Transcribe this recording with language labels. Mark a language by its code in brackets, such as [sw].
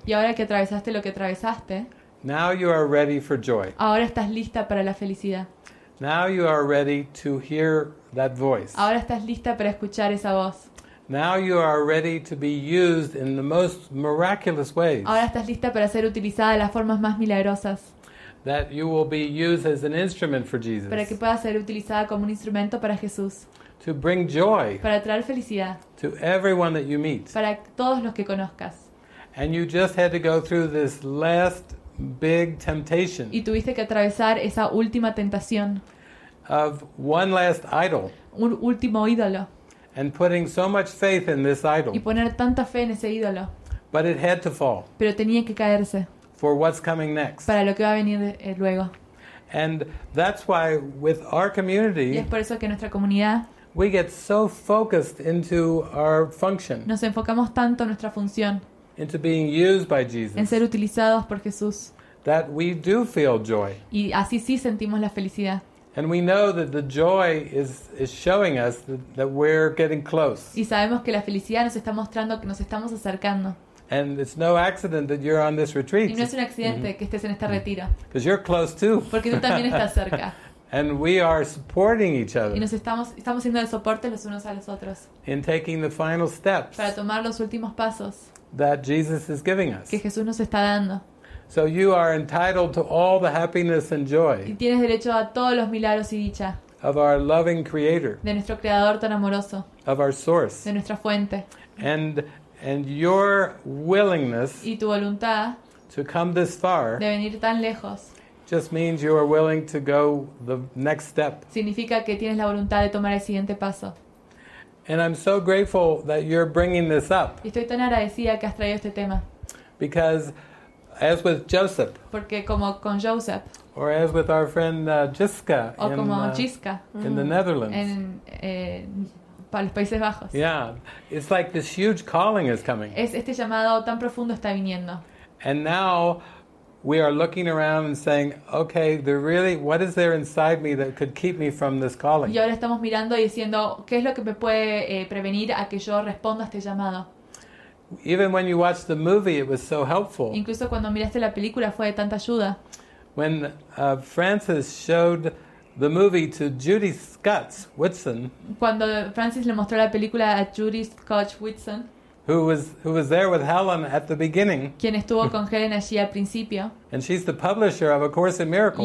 [es] Y ahora que atravesaste lo que atravesaste. [en] Now you are ready for joy. [es] Ahora estás lista para la felicidad. [en] Now you are ready to hear that voice. [es] Ahora estás lista para escuchar esa voz. [en] Now you are ready to be used in the most miraculous ways. [es] Ahora estás lista para ser utilizada de las formas más milagrosas. [en] That you will be used as an instrument for Jesus. [es] Para que puedas ser utilizada como un instrumento para Jesús. [en] To bring joy. [es] Para traer felicidad. [en] To everyone that you meet. [es] Para todos los que conozcas. [en] And you just had to go through this last big temptation. [es] Y tuviste que atravesar esa última tentación. [en] Of one last idol. [es] Un último ídolo. [en] And putting so much faith in this idol. [es] Y poner tanta fe en ese ídolo. [en] But it had to fall. [es] Pero tenía que caerse. [en] For what's coming next. [es] Para lo que va a venir luego. [en] And that's why with our community. [es] Y es por eso que nuestra comunidad. [en] We get so focused into our function. [es] Nos enfocamos tanto en nuestra función. [en] Into being used by Jesus. [es] En ser utilizados por Jesús. [en] That we do feel joy. [es] Y así sí sentimos la felicidad. [en] And we know that the joy is showing us that we're getting close. [es] Y sabemos que la felicidad nos está mostrando que nos estamos acercando. [en] And it's no accident that you're on this retreat. [es] Y no es un accidente que estés en este retiro. [en] Because you're close too. [es] Porque tú también estás cerca. [en] And we are supporting each other. [es] Y nos estamos siendo de soporte los unos a los otros. [en] In taking the final steps. [es] Para tomar los últimos pasos. [en] That Jesus is giving us. [es] Que Jesús nos está dando. [en] So you are entitled to all the happiness and joy. [es] Y tienes derecho a todos los milagros y dicha. [en] Of our loving Creator. [es] De nuestro creador tan amoroso. [en] Of our source. [es] De nuestra fuente. [en] And your willingness. [es] Y tu voluntad. [en] To come this far. [es] De venir tan lejos. [en] Just means you are willing to go the next step. [es] Significa que tienes la voluntad de tomar el siguiente paso. [en] And I'm so grateful that you're bringing this up. [es] Y estoy tan agradecida que has traído este tema. [en] Because as with Joseph. [es] Porque como con Joseph. [en] Or as with our friend Jiska. [es] O como Jiska. [en] In the Netherlands. [es] Para los Países Bajos. [en] Yeah, it's like this huge calling is coming. [es] Es este llamado tan profundo está viniendo. [en] And now we are looking around and saying, okay, there really, what is there inside me that could keep me from this calling? [es] Y ahora estamos mirando y diciendo, ¿qué es lo que me puede prevenir a que yo responda a este llamado? [en] Even when you watched the movie, it was so helpful. [es] Incluso cuando miraste la película fue de tanta ayuda. [en] When Francis showed the movie to Judy Scott Whitson. [es] Cuando Francis le mostró la película a Judy Scott Whitson. [en] Who was there with Helen at the beginning? [es] Quien estuvo con Helen allí al principio. [en] And she's the publisher of A Course in Miracles.